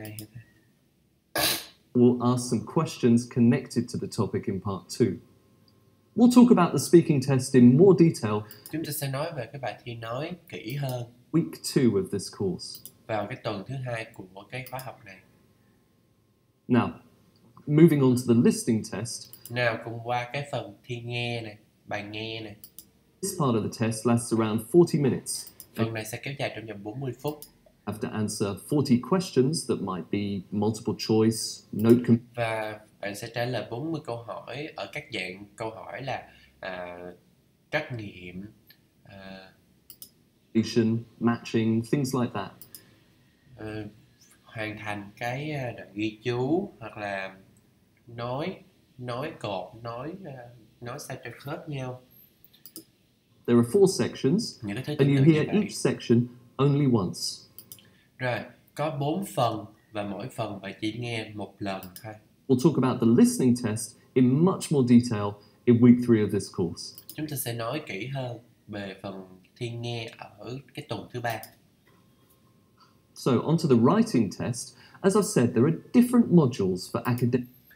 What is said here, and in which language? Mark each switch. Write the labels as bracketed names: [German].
[English] hả? We'll ask some questions connected to the topic in part 2. We'll talk about the speaking test in more detail. [Vietnamese] Chúng ta sẽ nói về cái bài thi nói kỹ hơn. [English] Week 2 of this course. [Vietnamese] Vào cái tuần thứ hai của cái khóa học này. [English] Now, moving on to the listening test. [Vietnamese] Nào, cùng qua cái phần thi nghe này, bài nghe này. [English] This part of the test lasts around 40 minutes. [Vietnamese] Phần này sẽ kéo dài trong vòng 40 phút. [English] Have to answer 40 questions that might be multiple choice, note comp. [Vietnamese] Và bạn sẽ trả lời 40 câu hỏi ở các dạng câu hỏi là trắc nghiệm, [English] completion, matching, things like that. [Vietnamese] Hoàn thành cái đoạn ghi chú hoặc là nói sao cho khớp nhau. [English] There are four sections, and you hear each section only once. [Vietnamese] Rồi, có 4 phần và mỗi phần bạn chỉ nghe một lần thôi. [English] We'll talk about the listening test in much more detail in week 3 of this course. [Vietnamese] Chúng ta sẽ nói kỹ hơn về phần thi nghe ở cái tuần thứ 3. [English] So, onto the writing test. As I've said, there are different modules for academic.